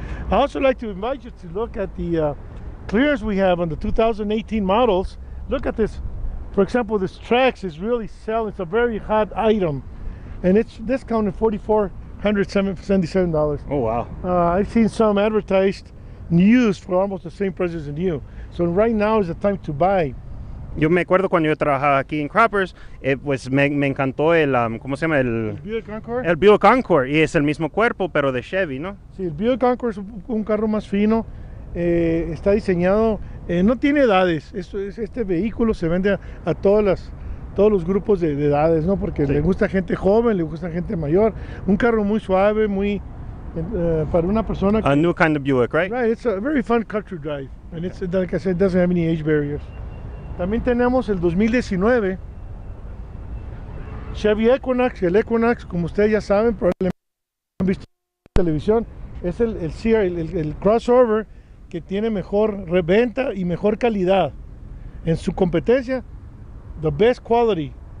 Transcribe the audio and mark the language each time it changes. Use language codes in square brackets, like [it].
[en] I also like to invite you to look at the clearance we have on the 2018 models. Look at this. For example, this Trax is really selling. It's a very hot item, and it's discounted $4,477. Oh wow! I've seen some advertised used for almost the same price as a new. So right now is the time to buy. [es] Yo me acuerdo cuando yo trabajaba aquí en Crappers, pues me encantó el ¿cómo se llama el? Buick Encore. El Buick Encore, y es el mismo cuerpo pero de Chevy, ¿no? Sí, el Buick Encore es un carro más fino. Está diseñado. No tiene edades, este vehículo se vende a todos los grupos de edades, ¿no? Porque sí. Le gusta gente joven, le gusta gente mayor. Un carro muy suave, muy para una persona. [en] A new kind of Buick, right? Right, it's a very fun country drive. And it's, like I said, it doesn't have any age barriers. [es] También tenemos el 2019 Chevy Equinox. El Equinox, como ustedes ya saben, probablemente han visto en televisión, es el crossover que tiene mejor reventa y mejor calidad en su competencia, [en] the best quality.